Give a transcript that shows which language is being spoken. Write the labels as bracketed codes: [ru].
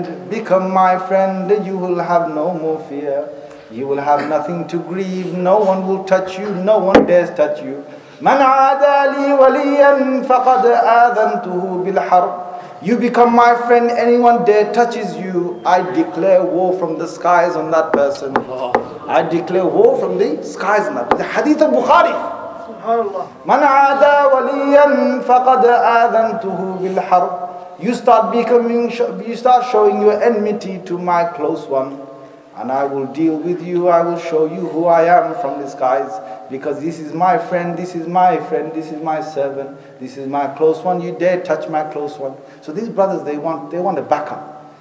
[en] Become my friend, and you will have no more fear. You will have nothing to grieve, no one will touch you, no one dares touch you. [ar] مَنْ عَادَى لِي وَلِيًّا فَقَدْ آذَنْتُهُ بِالْحَرْبِ. [en] You become my friend, anyone dare touches you, I declare war from the skies on that person. I declare war from the skies on that person. The hadith of Bukhari. [ar] من عادى وليا فقد آذنته بالحرب. [en] You start becoming, you start showing your enmity to my close one, and I will deal with you. I will show you who I am from the skies, because this is my friend, this is my friend, this is my servant, this is my close one. You dare touch my close one. So these brothers, they want a backup.